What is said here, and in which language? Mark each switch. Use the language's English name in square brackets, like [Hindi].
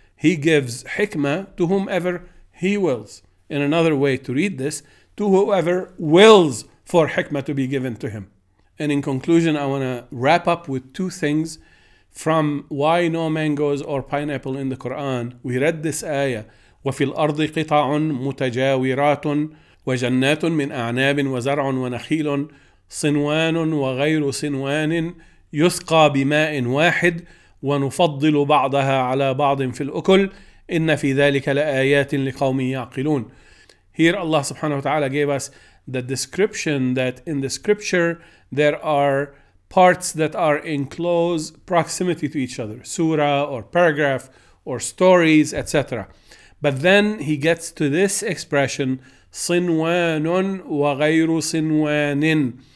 [English] He gives hikmah to whomever he wills. In another way to read this, to whoever wills for hikmah to be given to him. And in conclusion, I want to wrap up with two things from why no mangoes or pineapple in the Quran. We read this ayah, [Arabic] وَفِي الْأَرْضِ قِطَعٌ مُتَجَاوِرَاتٌ وَجَنَّاتٌ مِنْ أَعْنَابٍ وَزَرْعٌ وَنَخِيلٌ صنوان وغير صنوان يسقى بماء واحد ونفضل بعضها على بعض في الأكل إن في ذلك لآيات لقوم يعقلون. [English] Here Allah subhanahu wa ta'ala gave us the description that in the scripture there are parts that are in close proximity to each other, surah or paragraph or stories, etc. But then he gets to this expression, [Arabic] صنوان وغير صنوان.